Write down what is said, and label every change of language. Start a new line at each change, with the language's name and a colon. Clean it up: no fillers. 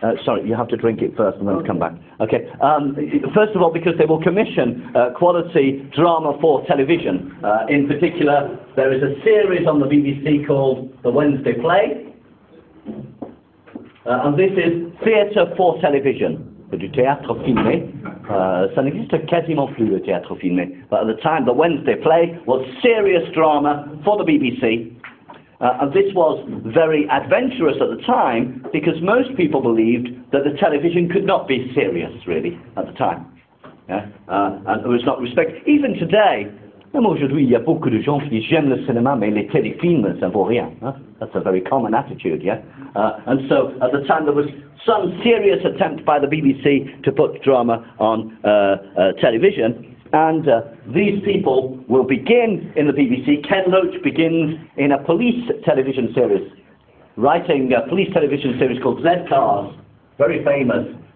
English: sorry, you have to drink it first and then come back. Okay. First of all, because they will commission quality drama for television. In particular, there is a series on the BBC called The Wednesday Play. And this is theatre for television.
French: Du théâtre filmé. Ça n'existe quasiment plus, le théâtre filmé.
English: But at the time, The Wednesday Play was serious drama for the BBC. And this was very adventurous at the time, because most people believed that the television could not be serious, really, at the time. And it was not respected. Even today,
French: même aujourd'hui, il y a beaucoup de gens qui disent « j'aime le cinéma, mais les téléfilms, ça vaut rien. »
English: That's a very common attitude, yeah? And so, at the time, there was some serious attempt by the BBC to put drama on television. And these people will begin in the BBC. Ken Loach begins in a police television series, writing a police television series called Zed Cars, very famous.